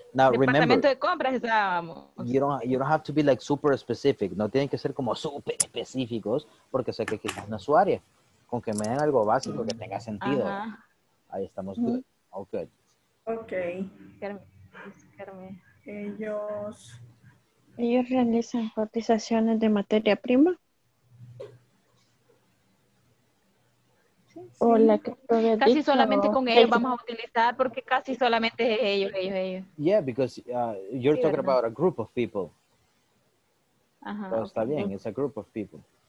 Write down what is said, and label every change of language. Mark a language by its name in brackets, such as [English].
[English] Now remember, you don't have to be like super specific. [Spanish] No tienen que ser como super específicos porque sé que quizás no es su área. Con que me den algo básico que tenga sentido. Uh-huh. Ahí estamos good. Okay. [English] Okay. Okay. [Spanish] Ellos realizan cotizaciones de materia prima. Sí, sí. Hola, casi dicho, solamente con ellos vamos a utilizar porque casi solamente es ellos. [English] Yeah, because you're talking about a group of people. Ajá. [Spanish] Pero está bien, [English] it's a group of people.